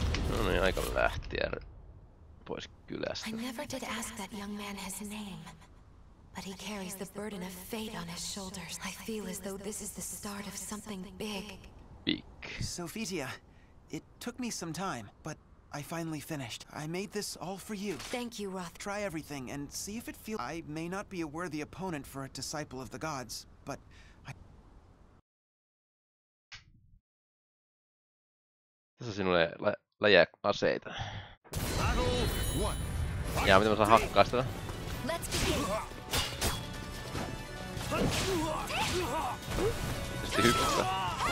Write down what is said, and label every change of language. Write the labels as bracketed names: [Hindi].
[Finnish] No niin, aika lähtiä pois kylästä. [English] I never did ask that young man his name, but he carries the burden of fate on his shoulders. I feel as though this is the start of something big. Big. Sophitia, it took me some time, but I finally finished. I made this all for you. Thank you, Roth. Try everything and see if it feels... I may not be a worthy opponent for a disciple of the gods, but... [Finnish] Tässä sinulle läjää aseita. Ja miten mä saan hakkaa sitä? Tietysti hyppää.